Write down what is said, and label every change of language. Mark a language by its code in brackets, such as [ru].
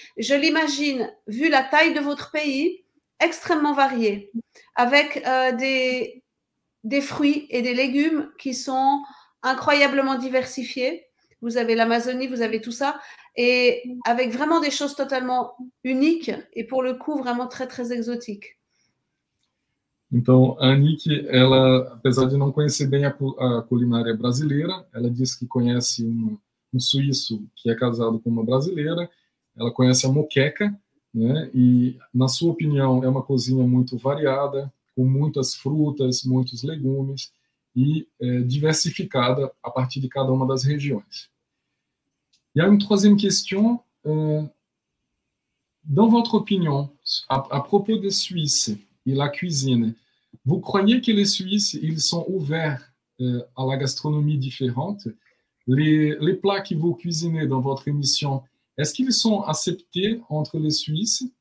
[fr] Je l'imagine, vu la taille de votre pays, extrêmement variée, avec des fruits et des légumes qui sont incroyablement diversifiés. Vous avez l'Amazonie, vous avez tout ça, et avec vraiment des choses totalement uniques et pour le coup vraiment très très exotiques. [pt] Então, a Annick, ela, apesar de não conhecer bem a culinária brasileira, ela disse que conhece um suíço que é casado com uma brasileira, ela conhece a moqueca, né? E, na sua opinião, é uma cozinha muito variada, com muitas frutas, muitos legumes, e diversificada a partir de cada uma das regiões. E a uma [fr] troisième question, dans votre opinion, à propos de Suisse, et la cuisine. Vous croyez que les Suisses, ils sont ouverts à la gastronomie différente? Les plats que vous cuisinez dans votre émission, est-ce qu'ils sont acceptés entre les Suisses?